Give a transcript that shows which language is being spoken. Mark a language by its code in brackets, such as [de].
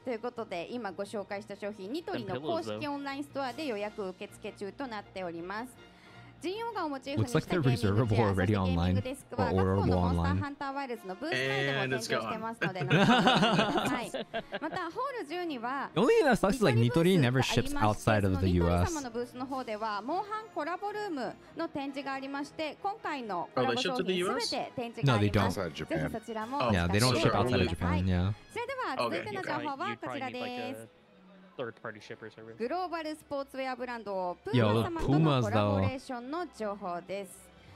[ja] ということで今ご紹介した商品ニトリの公式オンラインストアで予約受付中となっております。神陽川をモチーフにした。 [en] Looks like they're reservable already online. Or orderable online. [ja] モンスターハンターワイルズのブースでも展示してますので。はい。またホール10には。 [en] Only in that sense, like Nitori never ships outside of the U.S. [ja] ニトリ様のブースの方ではモンハンコラボルームの展示がありまして、今回のコラボ商品すべて展示があります。 [en] No, they don't. [ja] ぜひそちらも。 [en] Yeah, they don't ship outside of Japan. Yeah. [ja] それでは続いての情報はこちらです。グローバルスポーツウェアブランドプーマ様とのコラボレーションの情報です。